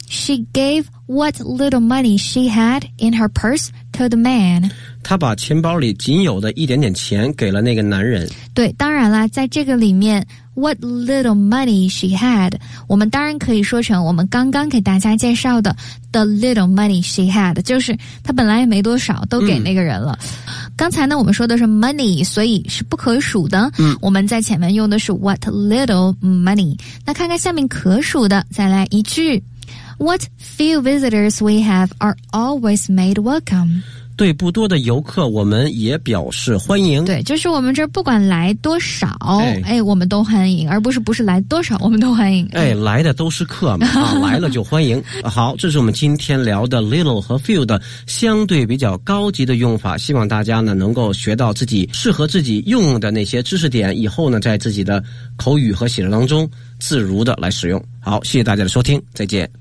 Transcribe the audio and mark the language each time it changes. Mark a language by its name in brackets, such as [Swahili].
[English] She gave what little money she had in her purse to the man。 [Chinese] 他把钱包里仅有的一点点钱给了那个男人。对，当然了，在这个里面 [English] what little money she had， [Chinese] 我们当然可以说成我们刚刚给大家介绍的 [English] the little money she had， [Chinese] 就是他本来也没多少都给那个人了。刚才呢我们说的是 money， 所以是不可数的。我们在前面用的是 [English] what little money。 [Chinese] 那看看下面可数的，再来一句。 [English] What few visitors we have are always made welcome。 [Chinese] 对不多的游客我们也表示欢迎。对，就是我们这儿不管来多少，我们都欢迎，而不是来多少我们都欢迎。来的都是客嘛、来了就欢迎。好，这是我们今天聊的 little 和 few 的相对比较高级的用法，希望大家呢能够学到自己适合自己用的那些知识点，以后呢在自己的口语和写作当中自如的来使用。好，谢谢大家的收听，再见，